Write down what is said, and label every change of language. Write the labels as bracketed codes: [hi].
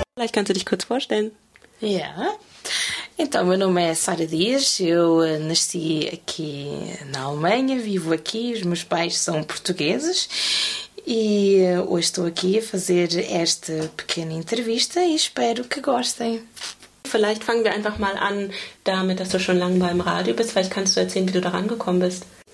[de] Kannst du dich kurz vorstellen? Ja. [pt] Então, meu nome é Sara Dias. Eu nasci aqui na Alemanha, vivo aqui. Os meus pais são portugueses. E hoje estou aqui a fazer esta pequena entrevista e espero que gostem. [de] Vielleicht fangen wir einfach mal an damit, dass du schon lange beim Radio bist. Vielleicht kannst du erzählen, wie du da rangekommen bist.